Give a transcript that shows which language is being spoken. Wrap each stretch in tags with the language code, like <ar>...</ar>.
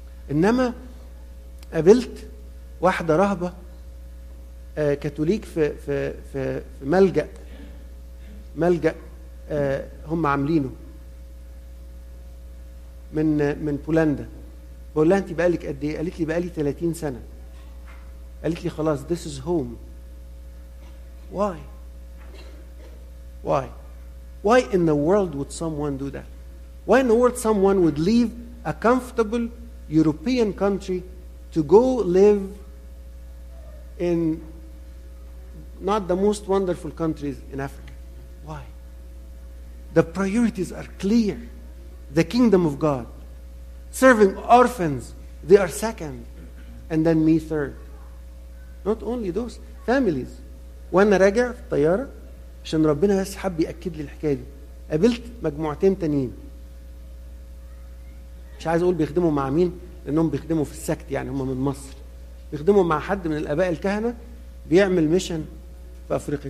<ar>إنما قابلت واحدة رهبة كاثوليك في ملجأ هم عاملينه من بولندا. بقول لها انت بقالك قد ايه؟ قالت لي بقالي 30 سنة. قالت لي خلاص</ar> <en>this is home. Why in the world would someone do that? Why in the world someone would leave a comfortable European country to go live in not the most wonderful countries in Africa? Why? The priorities are clear. The kingdom of God, serving orphans, they are second, and then me third. Not only those, families.</en> <ar>وانا راجع في الطيارة عشان ربنا بس حب يأكد لي الحكاية دي، قابلت مجموعتين تانيين مش عايز اقول بيخدموا مع مين لانهم بيخدموا في السكت، يعني هم من مصر بيخدموا مع حد من الاباء الكهنة بيعمل ميشن في افريقيا.</ar>